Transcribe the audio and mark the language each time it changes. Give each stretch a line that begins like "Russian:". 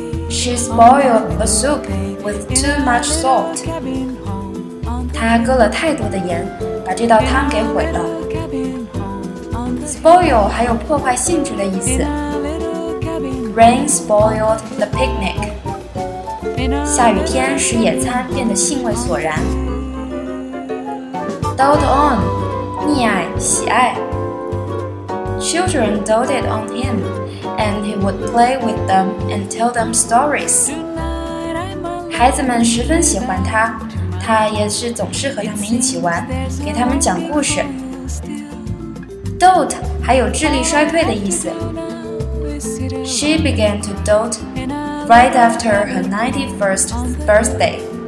English: She spoiled a soup with too much salt.
Chinese: 她搁了太多的盐，把这道汤给毁了。 Spoil 还有破坏性质的意思。
English: Rain spoiled the picnic.
Chinese: 下雨天使野餐变得兴味索然。 Dote on, 溺爱，喜爱。
English: Children doted on him, and he would play with them and tell them stories.
Chinese: 孩子们十分喜欢他，他也是总是和他们一起玩，给他们讲故事。
English: Dote
Chinese: 还有智力衰退的意思。
English: She began to dote right after her 91st birthday.